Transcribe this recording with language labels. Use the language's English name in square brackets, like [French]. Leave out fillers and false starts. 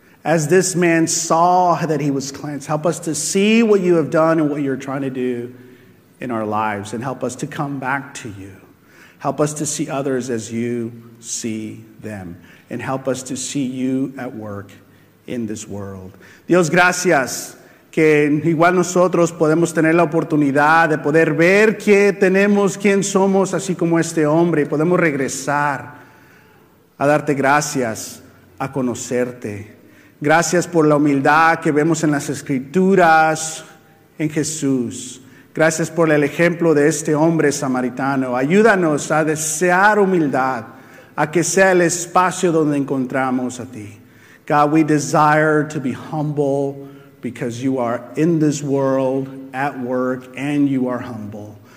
[English] As this man saw that he was cleansed, help us to see what you have done and what you're trying to do in our lives. And help us to come back to you. Help us to see others as you see them. And help us to see you at work in this world. [Spanish] Dios, gracias que igual nosotros podemos tener la oportunidad de poder ver qué tenemos, quién somos, así como este hombre, y podemos regresar a darte gracias, a conocerte. Gracias por la humildad que vemos en las Escrituras, en Jesús. Gracias por el ejemplo de este hombre samaritano. Ayúdanos a desear humildad, a que sea el espacio donde encontramos a ti. [English] God, we desire to be humble because you are in this world, at work, and you are humble.